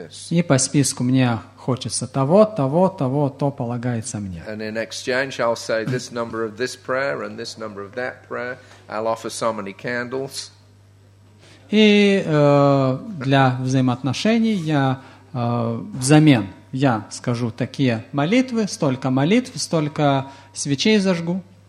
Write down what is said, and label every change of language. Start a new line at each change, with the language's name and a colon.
Russian: И по списку мне хочется того, того, того, то полагается мне.
English: And in exchange I'll say this number of this prayer and this number of that prayer. I'll offer so many candles.
Russian: И для взаимоотношений я взамен я скажу такие молитвы, столько свечей зажгу.